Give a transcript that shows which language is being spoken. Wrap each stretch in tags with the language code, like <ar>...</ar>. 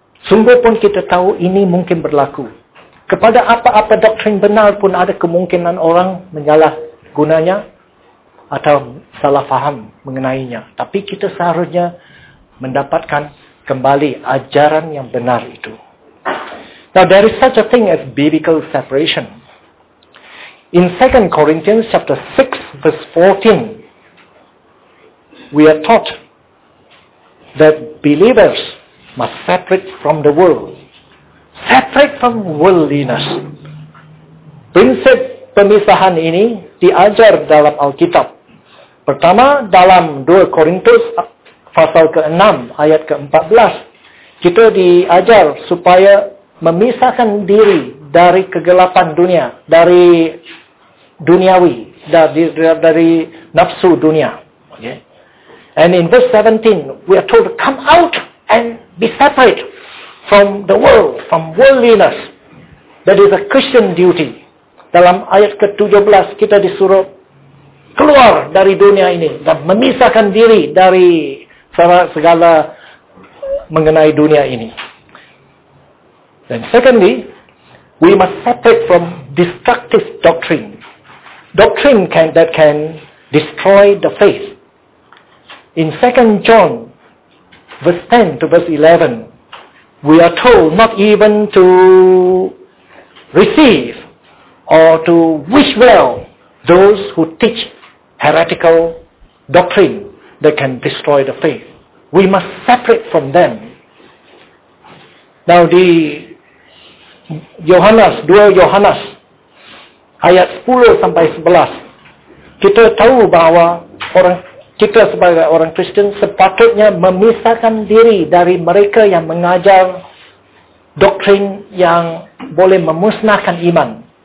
<ms>Sungguh pun kita tahu ini mungkin berlaku. Kepada apa-apa doktrin benar pun ada kemungkinan orang menyalahgunanya atau salah faham mengenainya. Tapi kita seharusnya mendapatkan kembali ajaran yang benar itu.</ms> <en>Now there is such a thing as biblical separation. In 2 Corinthians chapter 6 verse 14, we are taught that believers must separate from the world. Separate from worldliness.</en> <ms>Prinsip pemisahan ini diajar dalam Alkitab. Pertama, dalam 2 Korintus pasal ke-6 ayat ke-14, kita diajar supaya memisahkan diri dari kegelapan dunia, dari duniawi, dari nafsu dunia.</ms> <en>Okay. And in verse 17, we are told to come out and be separate from the world, from worldliness. That is a Christian duty.</en> <ms>Dalam ayat ke-17, kita disuruh keluar dari dunia ini dan memisahkan diri dari segala mengenai dunia ini.</ms> <en>Then secondly, we must separate from destructive doctrine. Doctrine that can destroy the faith. In 2 John, verse 10 to verse 11, we are told not even to receive or to wish well those who teach heretical doctrine that can destroy the faith. We must separate from them.</en> <ms>Now di Yohanes, 2 Yohanes, ayat 10 sampai 11, kita tahu bahwa orang kita sebagai orang Kristen sepatutnya memisahkan diri dari mereka yang mengajar doktrin yang boleh memusnahkan iman.</ms>